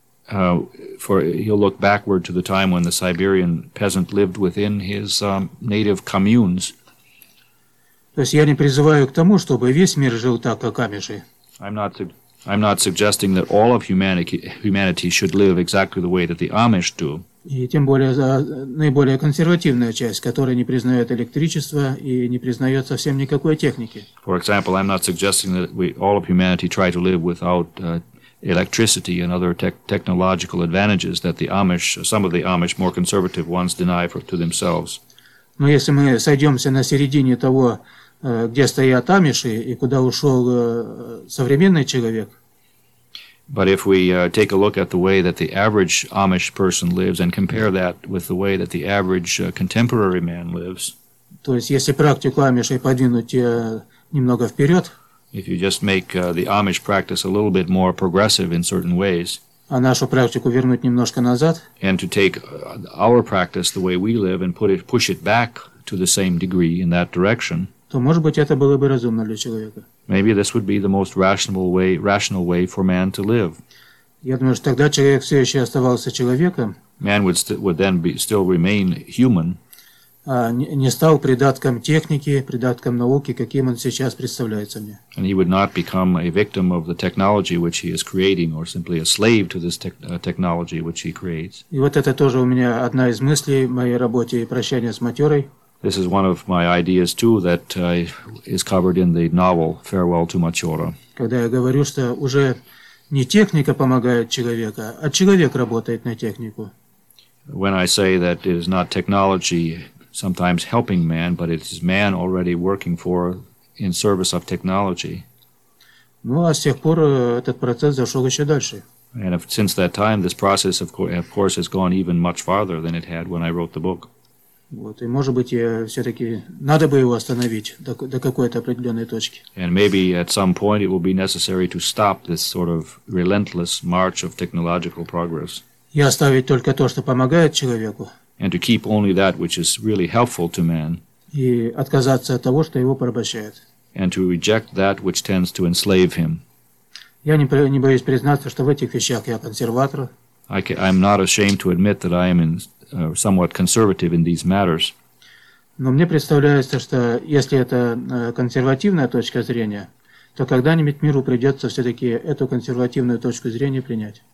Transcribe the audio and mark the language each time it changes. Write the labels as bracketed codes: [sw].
[en] For he'll look backward to the time when the Siberian peasant lived within his native communes. [ru] То есть я не призываю к тому, чтобы весь мир жил так, как амиши. [en] I'm not suggesting that all of humanity should live exactly the way that the Amish do. [ru] И тем более наиболее консервативная часть, которая не признает электричество и не признает совсем никакой техники. [en] For example, I'm not suggesting that all of humanity try to live without electricity and other technological advantages that the Amish, some of the Amish more conservative ones deny to themselves. [ru] Но если мы сойдемся на середине того, где стоят амиши и куда ушел современный человек, [en] but if we take a look at the way that the average Amish person lives and compare that with the way that the average contemporary man lives, [ru] то есть если практику амишей подвинуть немного вперед, [en] if you just make the Amish practice a little bit more progressive in certain ways, [ru] а нашу практику вернуть немножко назад, [en] and to take our practice the way we live and push it back to the same degree in that direction, [ru] то, может быть, это было бы разумно для человека. [en] Maybe this would be the most rational way for man to live. [ru] Я думаю, что тогда человек все еще оставался человеком. [en] Man would then still remain human. [ru] Не стал придатком техники, придатком науки, каким он сейчас представляется мне. [en] And he would not become a victim of the technology which he is creating, or simply a slave to this technology which he creates. [ru] И вот это тоже у меня одна из мыслей в моей работе «Прощание с матерой». [en] This is one of my ideas, too, that is covered in the novel Farewell to Matyora. [ru] Когда я говорю, что уже не техника помогает человеку, а человек работает на технику. [en] When I say that it is not technology sometimes helping man, but it is man already working in service of technology. [ru] Ну, а с тех пор этот процесс зашел еще дальше. [en] And since that time, this process, of course, has gone even much farther than it had when I wrote the book. [ru] Вот, и может быть, я все-таки надо бы его остановить до какой-то определенной точки. [en] And maybe at some point it will be necessary to stop this sort of relentless march of technological progress. [ru] И оставить только то, что помогает человеку. [en] And to keep only that which is really helpful to man. [ru] И отказаться от того, что его порабощает. [en] And to reject that which tends to enslave him. [ru] Я не боюсь признаться, что в этих вещах я консерватор. [en] I'm not ashamed to admit that I am in somewhat conservative in these matters. [ru] Но мне представляется, что если это консервативная точка зрения, то когда-нибудь миру придется все-таки эту консервативную точку зрения принять.